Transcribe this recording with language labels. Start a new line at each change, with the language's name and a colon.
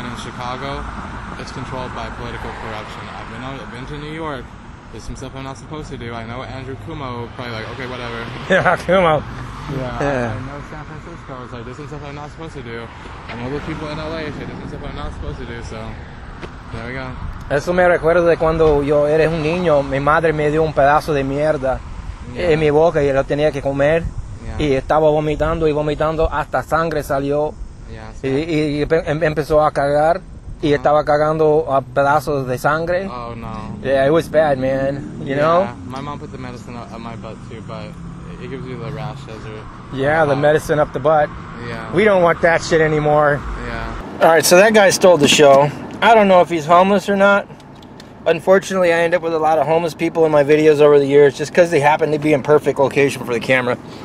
English: And in Chicago, it's controlled by political corruption. I've been to New York. There's some stuff I'm not supposed to do. I know Andrew Cuomo probably like, okay, whatever. Yeah, Cuomo. Yeah. I know San Francisco. It's like, there's some stuff I'm not supposed to do. I know the people in LA. There's some stuff I'm not supposed to do. So there we go.
Spanish: Eso me recuerda de cuando yo era un niño, mi madre me dio un pedazo de mierda yeah. en mi boca y lo tenía que comer
English: yeah.
Spanish: y estaba vomitando y vomitando hasta sangre salió
English: yeah,
Spanish: y empezó a cagar y estaba cagando a pedazos de sangre.
English: Oh no. Yeah, it was bad, man. You know? My mom put the medicine up my butt too, but it gives you the rashes or... Yeah, the medicine up the butt. Yeah. We don't want that shit anymore. Yeah. Alright, so that guy stole the show. I don't know if he's homeless or not. Unfortunately, I end up with a lot of homeless people in my videos over the years just because they happen to be in perfect location for the camera.